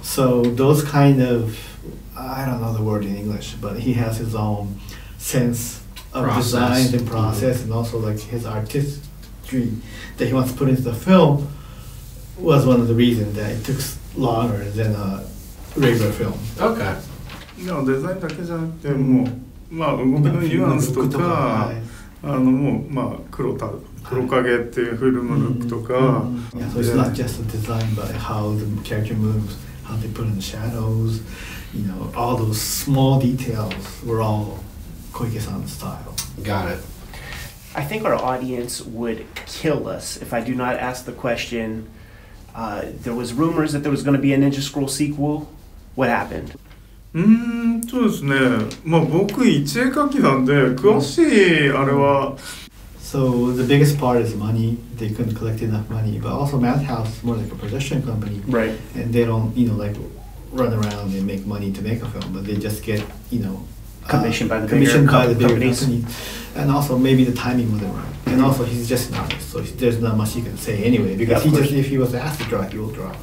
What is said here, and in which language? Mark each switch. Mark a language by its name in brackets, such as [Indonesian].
[English] So those kind of, I don't know the word in English, but he has his own sense of design and process, and also like his artistry that he wants to put into the film was one of the reasons that it took longer than a regular film. Okay. [Japanese] No, design だけじゃなくて、もう、まあ、動きのニュアンスとか、あの、もう、まあ、黒影っていうフィルムルックとか。 [English] Yeah, so it's not just the design, but how the character moves, how they put in the shadows, you know, all those small details were all Koike-san's style. Got it. I think our audience would kill us if I do not ask the question. There was rumors that there was going to be a Ninja Scroll sequel. What happened? [Japanese] そうですね。まあ僕一絵描きなんで詳しいあれは。 [English] So the biggest part is money. They couldn't collect enough money. But also Madhouse is more like a production company. Right. And they don't, you know, like run around and make money to make a film. But they just get, you know, commissioned by the bigger company. And also maybe the timing wasn't right. And also he's just an artist, so there's not much you can say anyway, because if he was asked to draw, he will draw.